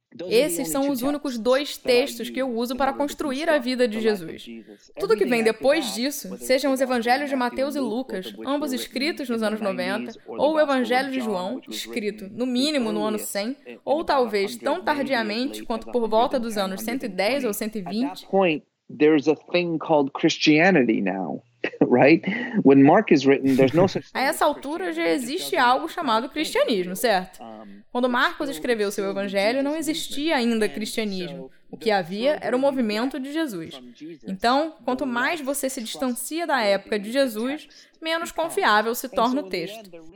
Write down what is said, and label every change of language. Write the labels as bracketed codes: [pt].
[pt] Esses são os únicos dois textos que eu uso para construir a vida de Jesus. Tudo que vem depois disso, sejam os evangelhos de Mateus e Lucas, ambos escritos nos anos 90, ou o evangelho de João, escrito no mínimo no ano 100, ou talvez tão tardiamente quanto por volta dos anos 110 ou 120. [en] There's a thing called Christianity now. right? When Mark is written, there's no such [pt] a essa altura já existe algo chamado cristianismo, certo? Quando Marcos escreveu seu evangelho, não existia ainda cristianismo. O que havia era o movimento de Jesus. Então, quanto mais você se distancia da época de Jesus, menos confiável se torna o texto.